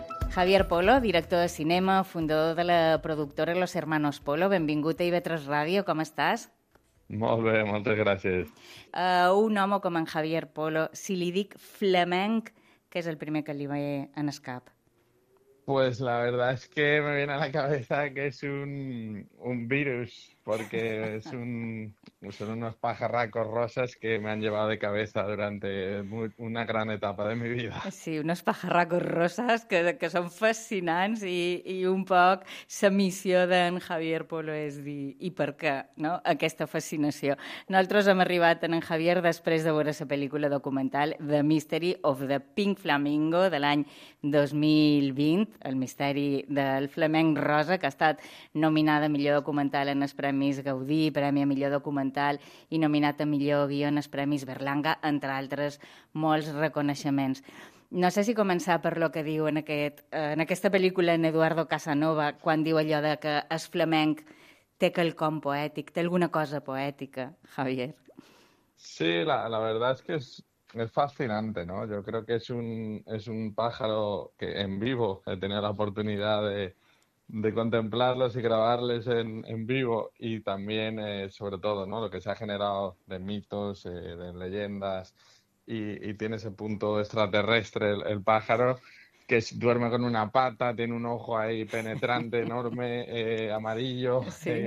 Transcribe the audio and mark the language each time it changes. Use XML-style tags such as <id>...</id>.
<ca>Javier Polo, director de cinema, fundador de la productora Los Hermanos Polo. Benvingut a IB3 Ràdio, com estàs? Molt bé, moltes gràcies. Un home com en Javier Polo, si li dic flamenc, què és el primer que li ve en el cap?</ca> <es>Pues la verdad es que me viene a la cabeza que es un virus, porque son unos pajarracos rosas que me han llevado de cabeza durante una gran etapa de mi vida. Sí, unos pajarracos rosas que son fascinantes y</es> <ca>un poc la missió d'en Javier Polo és dir i per què, no?, aquesta fascinació. Nosaltres hem arribat en Javier després de veure la pel·lícula documental The Mystery of the Pink Flamingo de l'any 2020, el misteri del flamenc rosa, que ha estat nominada millor documental en els Premis Gaudí, Premi a Millor Documental i nominat a Millor Guion als Premis Berlanga, entre altres molts reconeixements. No sé si començar per lo que diu en aquesta pel·lícula en Eduardo Casanova, quan diu allò de que el flamenc té quelcom poètic, té alguna cosa poètica, Javier.</ca> <es>Sí, la verdad es que es fascinante, ¿no? Yo creo que es un pájaro que en vivo he tenido la oportunidad de contemplarlos y grabarles en vivo y también, sobre todo, ¿no?, lo que se ha generado de mitos, de leyendas y tiene ese punto extraterrestre el pájaro, que duerme con una pata, tiene un ojo ahí penetrante, enorme, amarillo, sí.</es>